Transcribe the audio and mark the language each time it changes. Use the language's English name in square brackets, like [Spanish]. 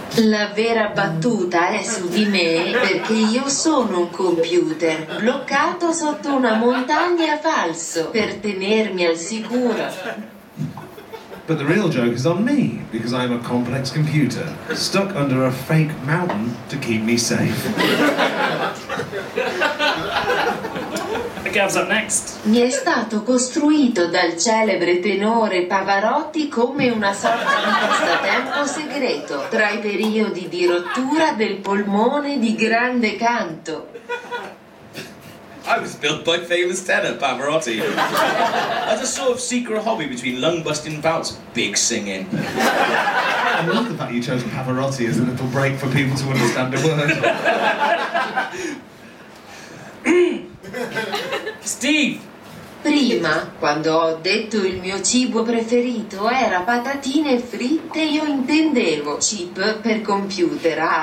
[Italian] La vera battuta è su di me perché io sono un computer bloccato sotto una montagna falso per tenermi al sicuro. [English] But the real joke is on me because I'm a complex computer stuck under a fake mountain to keep me safe. [Italian] Mi è stato costruito dal celebre tenore Pavarotti come una sorta di passatempo segreto tra i periodi di rottura del polmone di grande canto. [English] I was built by famous tenor Pavarotti as a sort of secret hobby between lung-busting bouts of big singing. I love the fact you chose Pavarotti as a little break for people to understand a word. Steve! [Italian] Prima, quando ho detto il mio cibo preferito era patatine fritte, io intendevo chip per computer.